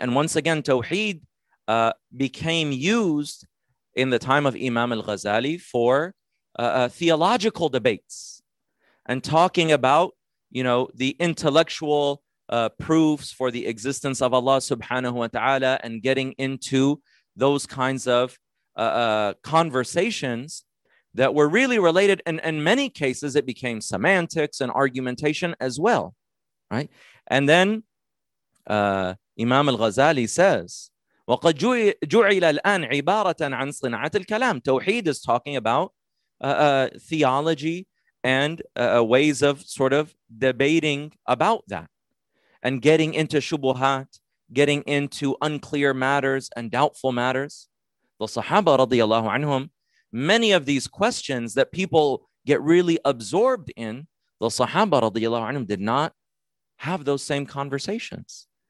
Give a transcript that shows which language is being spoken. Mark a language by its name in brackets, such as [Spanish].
[English] And once again, tawheed became used in the time of Imam al-Ghazali for theological debates and talking about, you know, the intellectual proofs for the existence of Allah subhanahu wa ta'ala and getting into those kinds of conversations that were really related. And in many cases, it became semantics and argumentation as well, right? And then Imam al-Ghazali says, [Arabic] وَقَدْ جُعِلَ الْآنْ عِبَارَةً عَنْ صِنَعَةِ الْكَلَامِ. [English] Tawheed is talking about theology and ways of sort of debating about that and getting into shubuhat, getting into unclear matters and doubtful matters. The Sahaba radiallahu anhum, many of these questions that people get really absorbed in, the Sahaba radiallahu anhum did not have those same conversations.